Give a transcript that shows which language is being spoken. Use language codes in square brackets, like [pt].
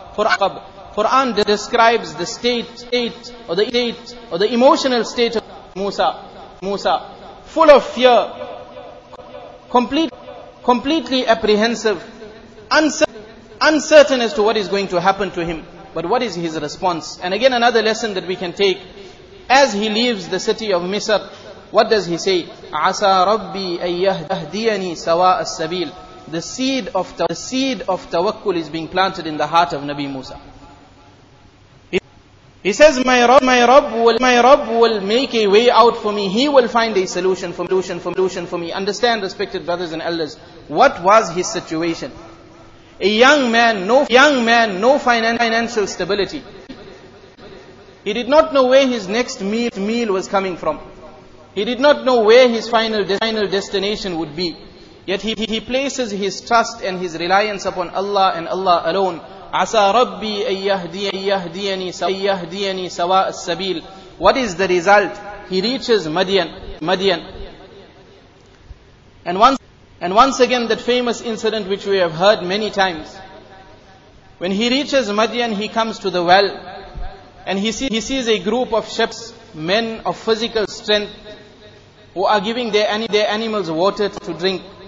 [en] Quran describes the state or the emotional state of Musa, full of fear, completely apprehensive, uncertain as to what is going to happen to him. But what is his response? And again, another lesson that we can take. As he leaves the city of Misr, what does he say? [ar] عَسَى رَبِّي أَن يَهْدِيَنِي سَوَاءَ السَّبِيلِ. [en] The seed of tawakkul is being planted in the heart of Nabi Musa. He says, My Rabb will make a way out for me. He will find a solution for me. Understand, respected brothers and elders, what was his situation? A young man, no financial stability. He did not know where his next meal was coming from. He did not know where his final destination would be. Yet he places his trust and his reliance upon Allah and Allah alone. [ar] عَسَى رَبِّي أَن يَهْدِيَنِي سَوَاءَ السَّبِيلِ. [en] What is the result? He reaches Madian. And once again, that famous incident which we have heard many times. When he reaches Madian, he comes to the well, and he sees a group of shepherds, men of physical strength, who are giving their animals water to drink.